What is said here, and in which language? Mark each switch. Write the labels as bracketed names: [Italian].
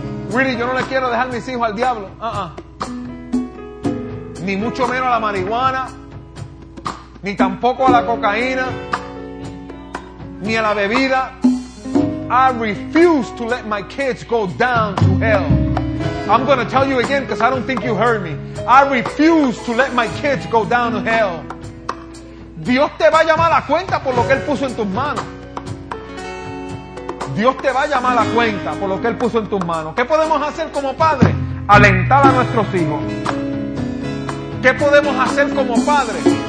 [Spanish] Willy, yo no le quiero dejar mis hijos al diablo. Ni mucho menos a la marihuana, ni tampoco a la cocaína, ni a la bebida. [English] I refuse to let my kids go down to hell. I'm going to tell you again because I don't think you heard me. I refuse to let my kids go down to hell. [Spanish] Dios te va a llamar a cuenta por lo que Él puso en tus manos. Dios te va a llamar a cuenta por lo que Él puso en tus manos. ¿Qué podemos hacer como padres? Alentar a nuestros hijos. ¿Qué podemos hacer como padres?